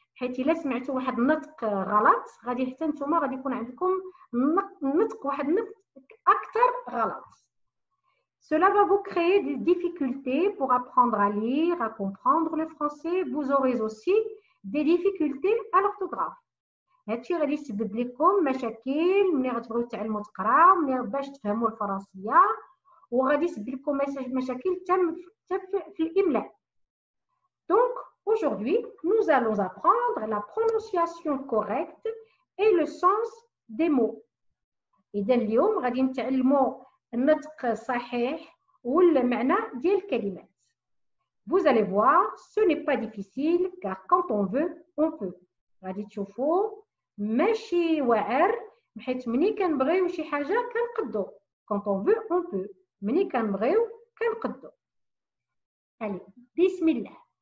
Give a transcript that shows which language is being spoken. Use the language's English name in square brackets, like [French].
[Arabic] حيت الا سمعتوا واحد النطق غلط غادي حتى نتوما غادي يكون عندكم نطق واحد النطق اكثر غلط. [French] Cela va vous créer des difficultés pour apprendre à lire, à comprendre le français. Vous aurez aussi des difficultés à l'orthographe. [Arabic] هادشي غادي يسبب لكم مشاكل ملي غتبغيو تعلموا تقراو ملي باش تفهموا الفرنسيه، وغادي يسبب لكم مشاكل حتى في الاملاء. [French] Donc aujourd'hui, nous allons apprendre la prononciation correcte et le sens des mots. Et dans le livre, [Arabic] غادي نتعلموا النطق صحيح والمعنى ديال الكلمات. [French] Vous allez voir, ce n'est pas difficile car quand on veut, on peut. [Arabic] غادي تشوفوا ماشي واعر حيت ملي كنبغيو شي حاجه كنقدو. [French] Quand on veut, on peut. [Arabic] ملي كنبغيو كنقدو. [French] Allez, bismillah.